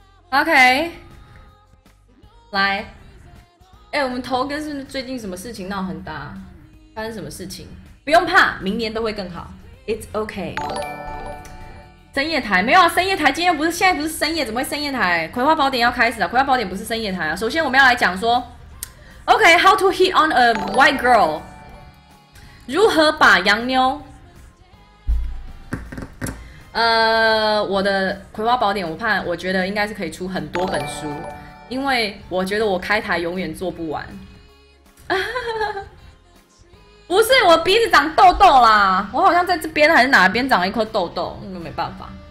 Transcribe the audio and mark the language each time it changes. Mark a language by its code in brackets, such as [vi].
[zh] OK, 来，哎，我们头哥是最近什么事情闹很大？发生什么事情？不用怕，明年都会更好。 [en] It's OK。 [zh] 深夜台没有啊，深夜台今天不是现在不是深夜，怎么会深夜台？葵花宝典要开始了，葵花宝典不是深夜台啊。首先我们要来讲说。 [en] Okay, how to hit on a white girl? [zh] 如何把洋妞？我的葵花宝典，我觉得应该是可以出很多本书，因为我觉得我开台永远做不完。不是，我鼻子长痘痘啦，我好像在这边还是哪边长了一颗痘痘，那没办法。